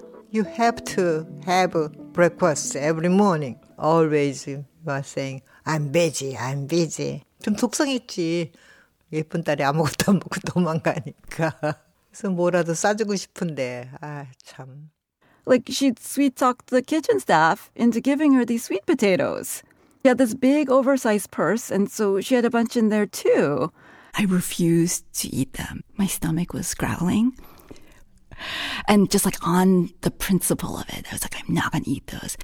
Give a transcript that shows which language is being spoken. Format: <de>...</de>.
<en>You have to have breakfast every morning. Always you are saying, I'm busy.</en> <ko>좀 속상했지. 예쁜 딸이 아무것도 안 먹고 도망가니까. 그래서 뭐라도 싸주고 싶은데, 아 참.</ko> <en>Like, she'd sweet-talked the kitchen staff into giving her these sweet potatoes. She had this big, oversized purse, and so she had a bunch in there, too. I refused to eat them. My stomach was growling. And just, like, on the principle of it, I was like, I'm not going to eat those.</en>